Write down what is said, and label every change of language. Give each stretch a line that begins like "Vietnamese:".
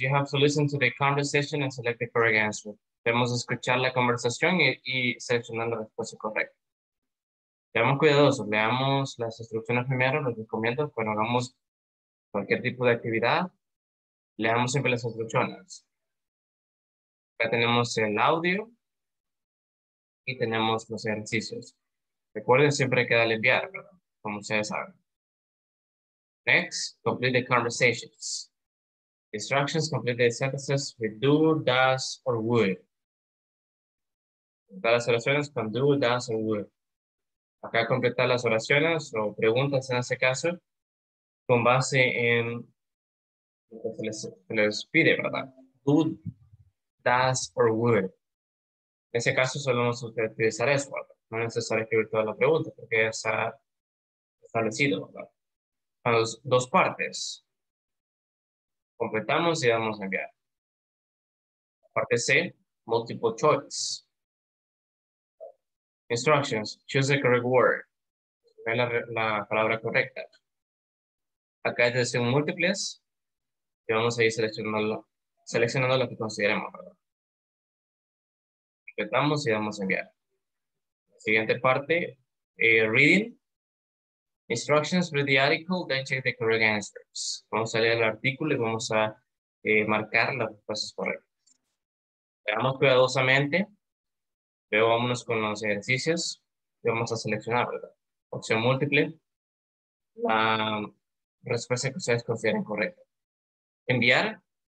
English: You have to listen to the conversation and select the correct answer.
Spanish: Debemos escuchar la conversación y seleccionar la respuesta correcta. Seamos cuidadosos, leamos las instrucciones primero, los recomiendo cuando hagamos cualquier tipo de actividad. Leamos siempre las instrucciones. Acá tenemos el audio y tenemos los ejercicios. Recuerden, siempre queda el enviar, ¿verdad? Como ustedes saben.
English: Next, complete the conversations. Instructions, complete the sentences with do, does, or would.
Spanish: Completar las oraciones con
English: do, does, or would.
Spanish: Acá completar las oraciones o preguntas en ese caso con base en lo que se les pide, ¿verdad? Do, does, or would. En ese caso solo vamos a utilizar eso, ¿verdad? No es necesario escribir toda la pregunta porque ya está establecido, ¿verdad? Para los dos partes. Completamos y vamos a enviar. Parte C, multiple choice.
English: Instructions, choose the correct word.
Spanish: La palabra correcta. Acá es decir, múltiples. Y vamos a ir seleccionando lo que consideremos, ¿verdad? Completamos y vamos a enviar. Siguiente parte, reading.
English: Instructions, read the article, then check the correct answers.
Spanish: Vamos a leer el artículo y vamos a marcar las respuestas correctas. Veamos cuidadosamente. Luego vámonos con los ejercicios y vamos a seleccionar, ¿verdad? Opción múltiple. La respuesta que ustedes consideren correcta. Enviar.